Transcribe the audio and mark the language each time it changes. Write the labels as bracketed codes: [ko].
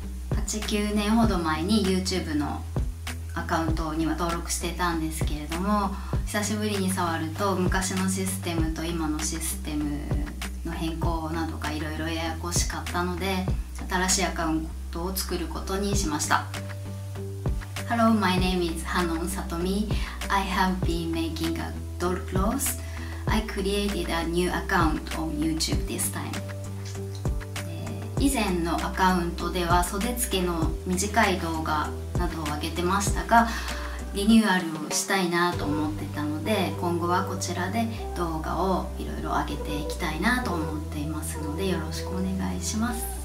[ja] 8、9年ほど前に YouTube のアカウントには登録してたんですけれども、久しぶりに触ると昔のシステムと今のシステムの変更などがいろいろややこしかったので、新しいアカウントを作ることにしました。 [en] Hello, my name is Hanon Satomi. I have been making a doll clothes. I created a new account on YouTube this time. [ja] 以前のアカウントでは袖付けの短い動画などを上げてましたが、リニューアルをしたいなと思ってたので、今後はこちらで動画をいろいろ上げていきたいなと思っていますので、よろしくお願いします。